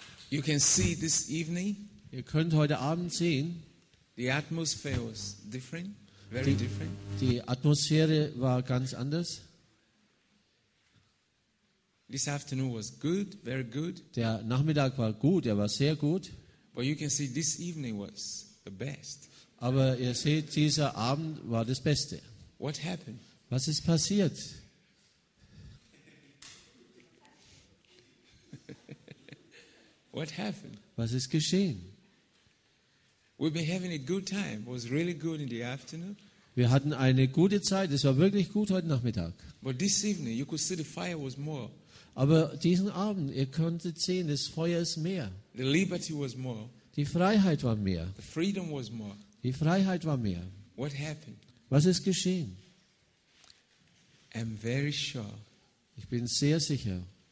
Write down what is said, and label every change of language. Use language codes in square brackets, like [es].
[en] You can see this evening. [de] Ihr könnt heute Abend sehen, [en] the atmosphere was different, very different. [de] Die Atmosphäre war ganz anders. [en] This afternoon was good, very good. [de] Der Nachmittag war gut, er war sehr gut. [en] But you can see this evening was the best. [de] Aber ihr seht, dieser Abend war das Beste. [en] What happened? [de] Was ist passiert? [en] What happened? [de] Was ist geschehen? [en] We've been having a good time. It was really good in the afternoon. [de] Wir hatten eine gute Zeit. Es war wirklich gut heute Nachmittag. [en] But this evening, you could see the fire was more. [de] Aber diesen Abend, ihr konntet sehen, das Feuer ist mehr. [en] The liberty was more. [de] Die Freiheit war mehr. [en] The freedom was more. [de] Die Freiheit war mehr. [en] What happened? [de] Was ist geschehen? [en] I'm very sure. [de] Ich bin sehr sicher.